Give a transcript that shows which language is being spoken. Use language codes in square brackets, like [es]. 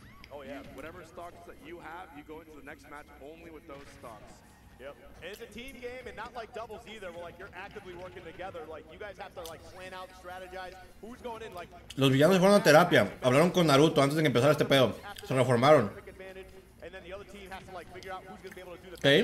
[en] Oh yeah, whatever stocks that you have, you go into the next match only with those stocks. Yep. And it's a team game and not like doubles either, where like you're actively working together, like you guys have to like plan out, strategize. Who's going in? Like [es] los villanos fueron a terapia, hablaron con Naruto antes de que empezara este pedo. Se reformaron. [en] And then the other team has to like figure out who's going to be able to do the okay.